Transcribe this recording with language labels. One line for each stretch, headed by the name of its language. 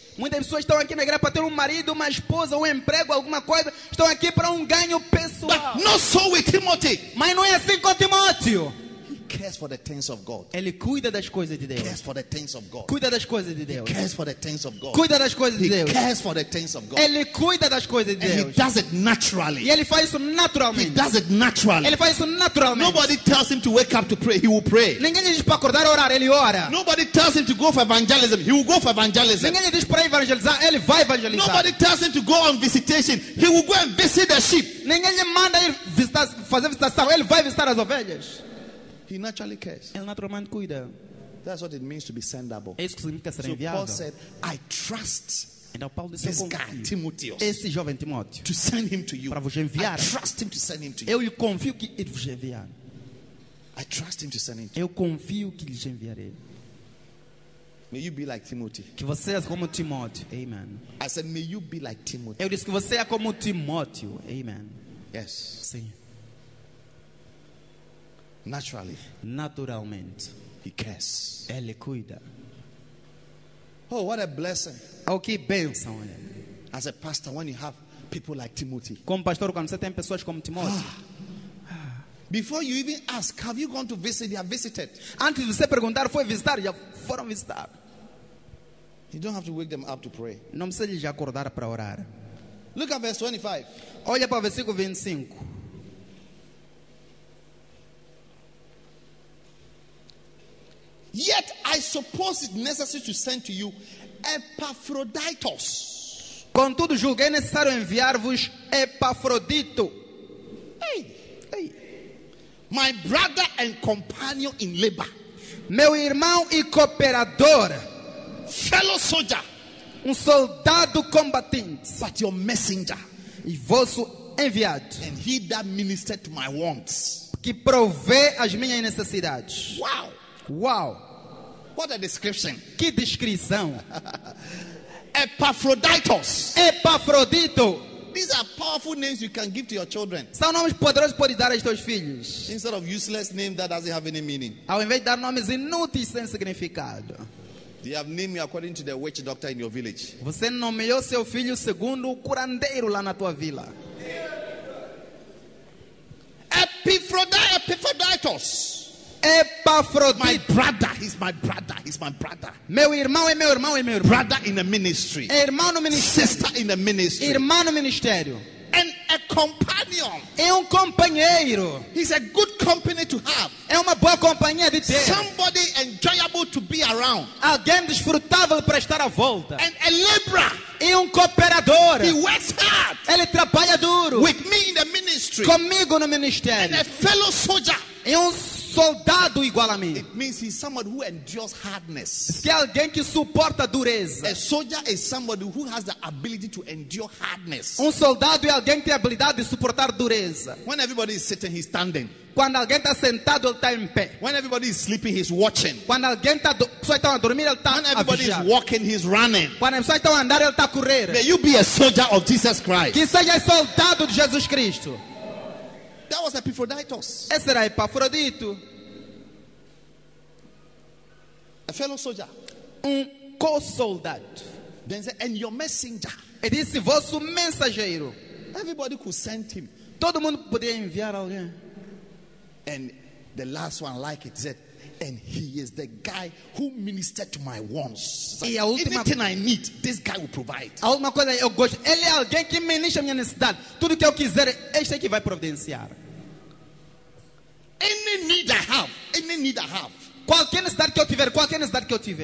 Portuguese: Muitas pessoas estão aqui na igreja para ter marido, uma esposa, emprego, alguma coisa. Estão aqui para ganho pessoal.
English: But not so with Timothy.
Portuguese: Mas não é assim com Timóteo.
English: Cares for the things of God.
Portuguese: Ele cuida das coisas de Deus.
English: Cares for the things of God.
Portuguese: Cuida das coisas de Deus.
English: He cares for the things of God.
Portuguese: Cuida das coisas de Deus.
English: He cares for the things of God.
Portuguese: Ele cuida das coisas de Deus.
English: And he does it naturally.
Portuguese: E ele faz isso naturalmente.
English: He does it naturally.
Portuguese: Ele faz isso naturalmente.
English: Nobody tells him to wake up to pray. He will pray.
Portuguese: Ninguém lhe diz para acordar e orar. Ele ora.
English: Nobody tells him to go for evangelism. He will go for evangelism.
Portuguese: Ninguém lhe diz para evangelizar. Ele vai evangelizar.
English: Nobody tells him to go on visitation. He will go and visit the sheep.
Portuguese: Ninguém lhe manda ir fazer visitação. Ele vai visitar as ovelhas.
English: He naturally cares.
Portuguese: Ele naturalmente cuida.
English: That's what it means to be sendable.
Portuguese: Isso significa ser enviado.
English: So Paul said, I trust.
Portuguese: Então Paulo disse,
English: this guy, Timotheus.
Portuguese: Esse jovem Timóteo.
English: To send him to you.
Portuguese: Para vos enviar.
English: I trust him to send him to you.
Portuguese: Eu lhe confio que ele vos enviar.
English: I trust him to send him to you.
Portuguese: Eu confio que lhe enviarei.
English: May you be like Timothy.
Portuguese: Que você é como Timóteo. Amen.
English: I said, may you be like Timothy.
Portuguese: Eu disse que você é como Timóteo.
English: Amen. Yes.
Portuguese: Sim.
English: Naturally.
Portuguese: Naturalmente.
English: He cares.
Portuguese: Ele cuida.
English: Oh, what a blessing.
Portuguese: Oh, que bênção.
English: As a pastor, when you have people like Timothy.
Portuguese: Como pastor, quando você tem pessoas como Timóteo.
English: Before you even ask, have you gone to visit? They are visited.
Portuguese: Antes de você perguntar, foi visitar? Já foram visitar.
English: You don't have to wake them up to pray.
Portuguese: Não precisa de acordar para orar.
English: Look at verse 25.
Portuguese: Olha para o versículo 25.
English: Yet I suppose it necessary to send to you Epaphroditus.
Portuguese: Contudo, julguei necessário enviar-vos Epafrodito. Hey, hey.
English: My brother and companion in labor.
Portuguese: Meu irmão e cooperador.
English: Fellow soldier.
Portuguese: Soldado combatente.
English: But your messenger.
Portuguese: E vosso enviado.
English: And he that ministered to my wants.
Portuguese: Que provê as minhas necessidades.
English: Wow. Wow. What a description.
Portuguese: Que descrição.
English: Epaphroditus.
Portuguese: Epafrodito.
English: These are powerful names you can give to your children.
Portuguese: São nomes poderosos que podes dar aos teus filhos.
English: Instead of useless names that doesn't have any meaning.
Portuguese: Ao invés de dar nomes inúteis sem significado.
English: They have named you according to the witch doctor in your village.
Portuguese: Você nomeou seu filho segundo o curandeiro lá na tua vila.
English: Epaphroditus.
Portuguese: Epafrodito.
English: My brother, he's my brother, he's my brother.
Portuguese: Meu irmão é meu irmão, é meu irmão.
English: Brother in the ministry.
Portuguese: É irmão no ministério.
English: Sister in the ministry.
Portuguese: Irmã no ministério.
English: And a companion.
Portuguese: É companheiro.
English: He's a good company to have.
Portuguese: É uma boa companhia de ter.
English: Somebody enjoyable to be around.
Portuguese: Alguém desfrutável para estar à volta.
English: And a laborer.
Portuguese: E cooperador.
English: He works hard.
Portuguese: Ele trabalha duro.
English: With me in the ministry.
Portuguese: Comigo no ministério.
English: And a fellow soldier.
Portuguese: E soldado igual a mim.
English: It means he's someone who endures hardness.
Portuguese: Que alguém que suporta dureza.
English: A soldier is somebody who has the ability to endure hardness.
Portuguese: Soldado é alguém que tem habilidade de suportar dureza.
English: When everybody is sitting, he's standing.
Portuguese: Quando alguém está sentado, ele está em pé.
English: When everybody is sleeping, he's watching.
Portuguese: Quando alguém está a dormir, ele está
English: When everybody
Portuguese: a
English: is walking, he's running.
Portuguese: Quando alguém está a andar, ele está a correr.
English: May you be a soldier of Jesus Christ.
Portuguese: Que seja soldado de Jesus Cristo.
English: That was Epaphroditus.
Portuguese: Esse era Epafrodito.
English: A fellow soldier.
Portuguese: Co-soldado.
English: Then said, and your messenger.
Portuguese: Ele disse, vosso mensageiro.
English: Everybody could send him.
Portuguese: Todo mundo podia enviar alguém.
English: And the last one like it said, and he is the guy who ministered to my wants.
Portuguese: E a última,
English: anything I need, this guy will provide.
Portuguese: A última coisa, eu gosto. Ele é alguém que ministra minha necessidade. Tudo que eu quiser, este é que vai providenciar.
English: Any need I have, any need I have.
Portuguese: Qualquer necessidade que eu tiver, qualquer necessidade que eu tiver.